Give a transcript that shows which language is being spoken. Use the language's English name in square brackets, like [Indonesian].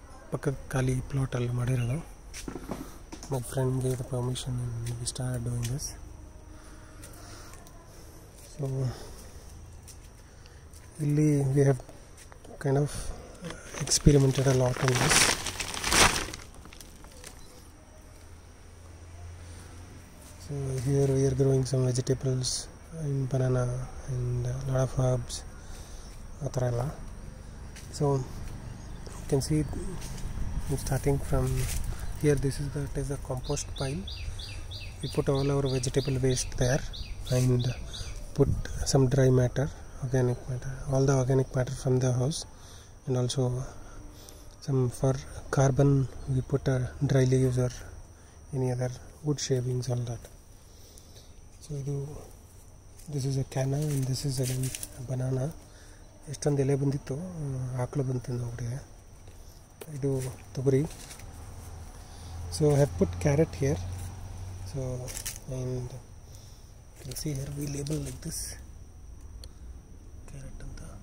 [Kannada] ಪಕ್ಕದ ಖಾಲಿ ಪ್ಲಾಟಲ್ಲಿ ಮಾಡಿರೋದು. [English] My friend gave the permission, we start doing this. So ಇಲ್ಲಿ we have kind of experimented a lot in this. So here we are growing some vegetables and banana and a lot of herbs atharella. So you can see I'm starting from here. This is that is a compost pile. We put all our vegetable waste there and put some dry matter, organic matter, all the organic matter from the house, and also some for carbon we put a dry leaves or any other wood shavings, all that. So ಇದು this is a can and this is a banana. [Kannada] ಎಷ್ಟೊಂದು ಎಲೆ ಬಂದಿತ್ತು, ಆಕಳು ಬಂತು ಅವ್ರಿಗೆ. ಇದು ತೊಗರಿ. [English] So I have put carrot here. So and can see here we label like this carrot [Kannada] ಅಂತ.